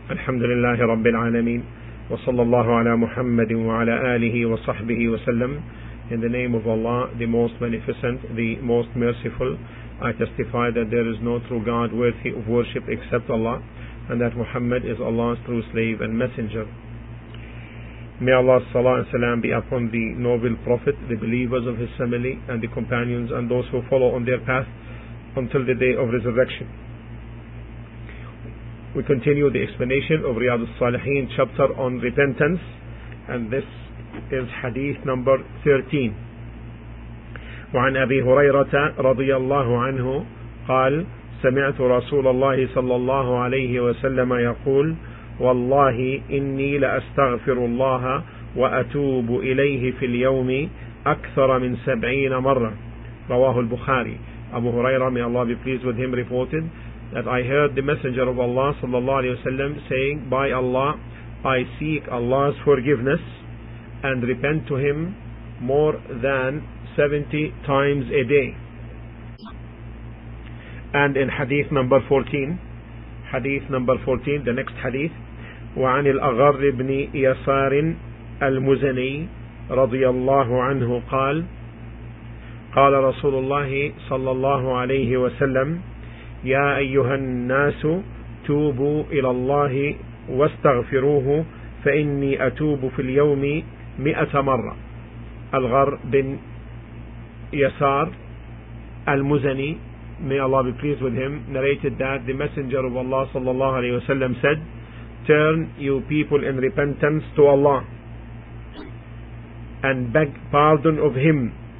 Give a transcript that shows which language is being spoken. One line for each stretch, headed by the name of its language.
Arabic: الحمد لله رب العالمين، وصلى الله على محمد وعلى آله وصحبه وسلم.
English: In the name of Allah, the most beneficent, the most merciful, I testify that there is no true God worthy of worship except Allah, and that Muhammad is Allah's true slave and messenger. May Allah's salah and salam be upon the noble Prophet, the believers of his family and the companions and those who follow on their path until the day of resurrection. We continue the explanation of Riyadh al-Salihin chapter on repentance, and this is hadith number 13.
Arabic: وعن أبي هريرة رضي الله عنه قال سمعت رسول الله صلى الله عليه وسلم يقول والله إني لأستغفر الله وأتوب إليه في اليوم أكثر من 70 مرة. رواه البخاري.
English: أبو هريرة, may Allah be pleased with him, reported that I heard the Messenger of Allah sallallahu alayhi wasallam saying, by Allah, I seek Allah's forgiveness and repent to him more than 70 times a day. And in hadith number 14, the next hadith,
Arabic: وعن الأغر بن يسار المزني رضي الله عنه قال قال رسول الله صلى الله عليه وسلم يا أيها الناس توبوا إلى الله واستغفروه فإني أتوب في اليوم 100 مرة.
English: الغر بن يسار المزني, may Allah be pleased with him, narrated that the Messenger of Allah
Arabic: صلى الله عليه وسلم
English: said, turn you people in repentance to Allah and beg pardon of him.